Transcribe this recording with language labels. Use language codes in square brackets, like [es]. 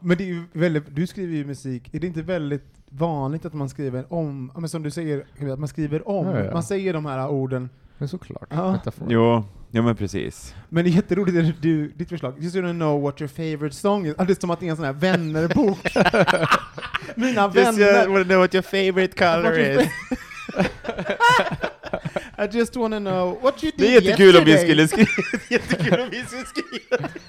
[sv] Men det är ju väldigt, du skriver ju musik. Är det inte väldigt vanligt att man skriver om, men som du säger, att man skriver om, ja, ja. Man säger de här orden. Men såklart. Ja. Jo, men precis. Men det är jätteroligt att du, ditt förslag, [en] just wanna know what your favorite song is. [sv] Det är som att det är en sån här vännerbok. Mina [en] just [sv] vänner. [en] Just wanna know what your favorite color is. I just want to know what you did yesterday. [sv] Det är jättekul om vi skulle skriva.